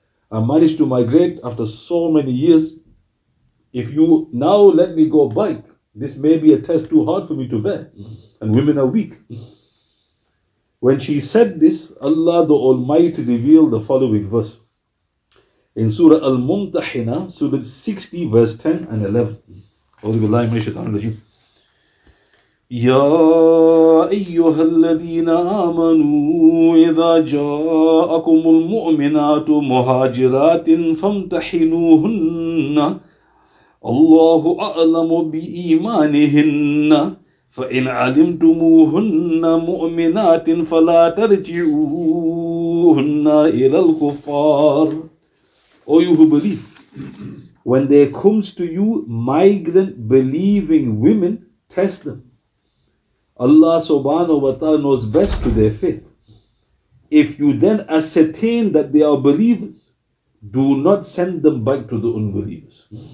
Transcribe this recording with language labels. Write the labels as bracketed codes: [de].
[en] I managed to migrate after so many years. If you now let me go back, this may be a test too hard for me to bear. And women are weak. When she said this, Allah the Almighty revealed the following verse. In Surah Al-Mumtahina, Surah 60, verse 10 and 11. [ar] أَوْذِ بِاللَّهِ مِنَ الشَّيْطَانِ الرَّجِيمِ يا أيها الذين آمنوا إذا جاءكم المؤمنات مهاجرات فامتحنوهن الله أعلم بإيمانهن فإن علمتموهن مؤمنات فلا ترجعوهن إلى الكفار. [en] O you who believe, when there comes to you migrant believing women, test them. Allah subhanahu wa ta'ala knows best to their faith. If you then ascertain that they are believers, do not send them back to the unbelievers.